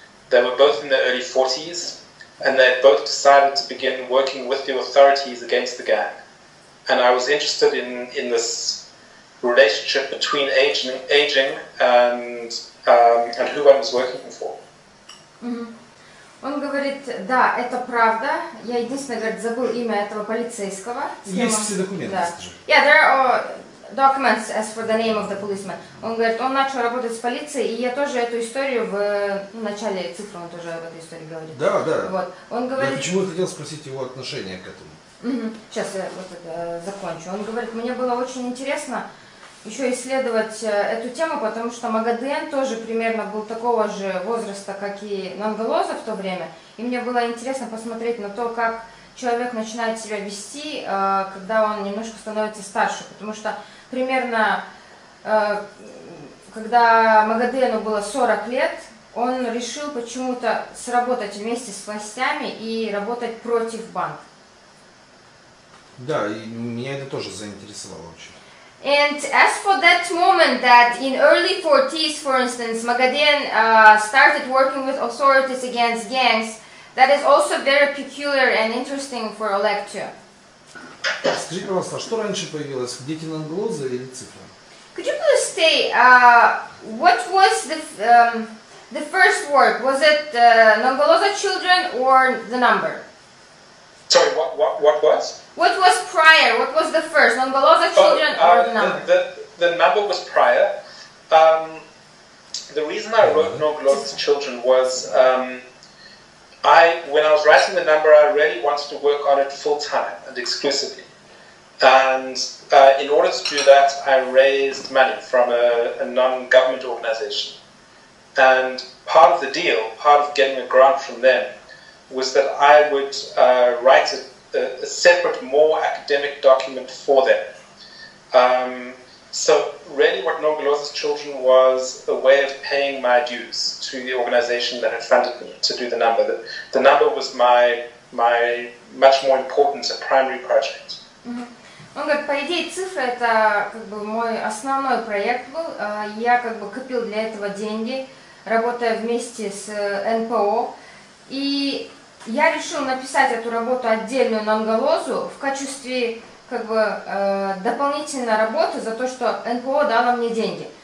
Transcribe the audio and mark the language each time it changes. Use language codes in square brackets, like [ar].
[en] They were both in their early 40s, and they had both decided to begin working with the authorities against the gang. And I was interested in this relationship between aging and who one was working for. Mm-hmm. [ru] Он говорит, да, это правда. Я единственное, говорит, забыл имя этого полицейского. Есть все документы, да. [en] Yeah, there are documents as for the name of the policeman. [ru] Он говорит, он начал работать с полицией, и я тоже эту историю в начале цифры, он тоже об этой истории говорит. Да, да. Вот. Он говорит, я почему хотел спросить его отношение к этому. Сейчас я вот это закончу. Он говорит, мне было очень интересно еще исследовать эту тему, потому что Магаден тоже примерно был такого же возраста, как и Нонголоза в то время. И мне было интересно посмотреть на то, как человек начинает себя вести, когда он немножко становится старше. Потому что примерно, когда Магадену было 40 лет, он решил почему-то сработать вместе с властями и работать против банд. Да, и меня это тоже заинтересовало очень. [en] And as for that moment that in early 40s, for instance, Magaden started working with authorities against gangs, that is also very peculiar and interesting for Oleg too. [ru] Скажите, пожалуйста, что раньше появилось, дети Нонголоза или цифра? [en] Could you please say, what was the first word? Was it Нонголоза children or the number? Sorry, what was? What was prior? What was the first? Nongoloza children or the number? The number was prior. The reason I wrote Nongoloza's children was I, when I was writing the number, I really wanted to work on it full time and exclusively. And in order to do that, I raised money from a non-government organization. And part of the deal, part of getting a grant from them, was that I would write a separate, more academic document for them. So really what Nongoloza's children was a way of paying my dues to the organization that had funded me to do the number. The number was my much more important, a primary project. Mm-hmm. [ru] Он говорит, по идее, цифра – это как бы мой основной проект был. Я как бы копил для этого деньги. работая вместе с НПО. И я решил написать эту работу отдельную на онголозу в качестве как бы дополнительной работы за то, что НПО дала мне деньги.